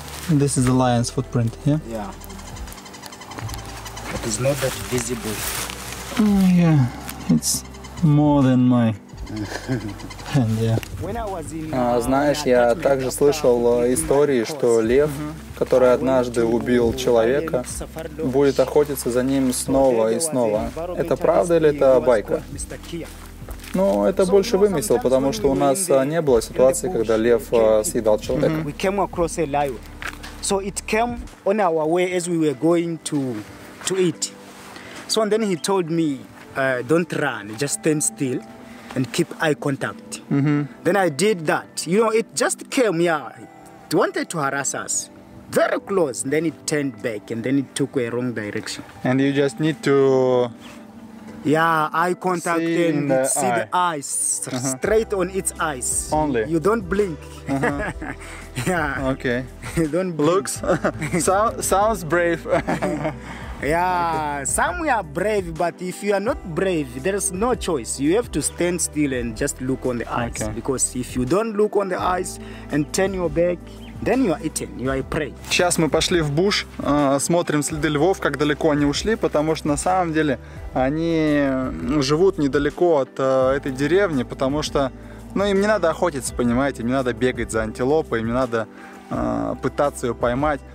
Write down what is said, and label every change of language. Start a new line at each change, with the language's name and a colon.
English: This is the lion's footprint, yeah? Yeah. It is not that visible. Yeah, it's more than my hand, yeah.
Russian: Знаешь, я также слышал истории, что лев, который однажды убил человека, будет охотиться за ним снова и снова. Это правда или это байка? Ну, это больше вымысел, потому что у нас не было ситуации, когда лев съедал человека.
English: We came across a lion. So it came on our way as we were going to eat. So and then he told me, don't run, just stand still and keep eye contact. Then I did that. You know, it just came, yeah. It wanted to harass us. Very close. And then it turned back and then it took a wrong direction. And you just need to... Yeah, eye contact and see the eyes, straight on its eyes. Only? You don't blink. Yeah. Okay. You don't blink. Looks, sounds brave. Yeah, okay. Some are brave, but if you are not brave, there is no choice. You have to stand still and just look on the eyes. Okay. Because if you don't look on the eyes and turn your back, then you are eaten, you are prey.
Russian: Сейчас мы пошли в буш, смотрим следы львов, как далеко они ушли, потому что на самом деле они живут недалеко от этой деревни, потому что, ну, им не надо охотиться, понимаете, им не надо бегать за антилопой, им не надо пытаться ее поймать.